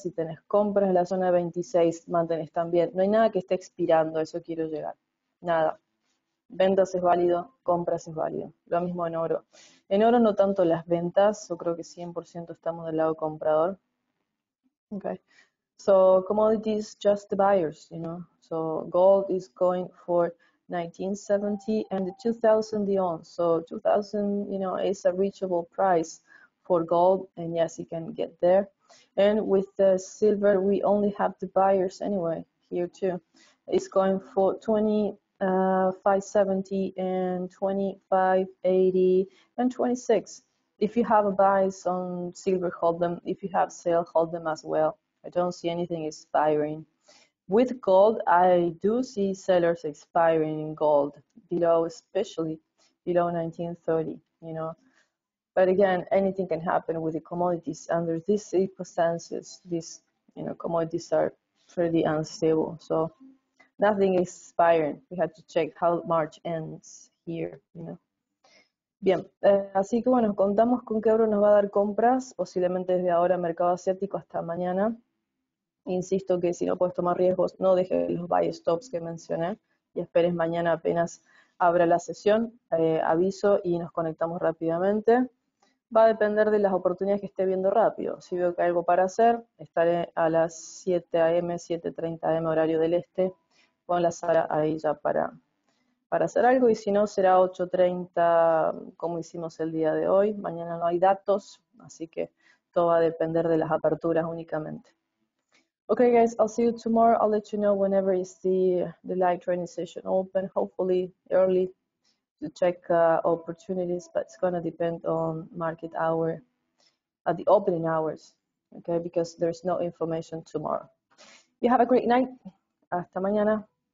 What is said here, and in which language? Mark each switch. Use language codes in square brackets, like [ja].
[es] Si tenés compras en la zona de 26, mantenés también. No hay nada que esté expirando, a eso quiero llegar. Nada. Ventas es válido, compras es válido. Lo mismo en oro. En oro no tanto las ventas, yo creo que 100% estamos del lado comprador. [en] Okay. So, commodities, just the buyers, you know. So, gold is going for 1970 and the 2000 the ounce. So, 2000, you know, is a reachable price for gold, and yes, you can get there. And with the silver, we only have the buyers anyway here too. It's going for 25.70 and 25.80 and 26. If you have a buy on silver, hold them. If you have sale, hold them as well. I don't see anything expiring. With gold, I do see sellers expiring in gold, below, especially below 1930, you know. But again, anything can happen with the commodities under these circumstances. These, you know, commodities are pretty unstable. So nothing is expiring. We have to check how March ends here, you know. [es] Bien, así que bueno, contamos con que Euro nos va a dar compras, posiblemente desde ahora mercado asiático hasta mañana. Insisto que si no puedes tomar riesgos, no dejes los buy stops que mencioné y esperes mañana apenas abra la sesión, aviso y nos conectamos rápidamente. Va a depender de las oportunidades que esté viendo rápido. Si veo que hay algo para hacer, estaré a las 7 a.m., 7:30 a.m. horario del este, con la sala ahí ya para hacer algo, y si no será 8:30 como hicimos el día de hoy. Mañana no hay datos, así que todo va a depender de las aperturas únicamente. [en] Okay, guys, I'll see you tomorrow. I'll let you know whenever you see the live training session open, hopefully early to check opportunities, but it's going to depend on market hour at the opening hours, okay, because there's no information tomorrow. You have a great night. [es] Hasta mañana.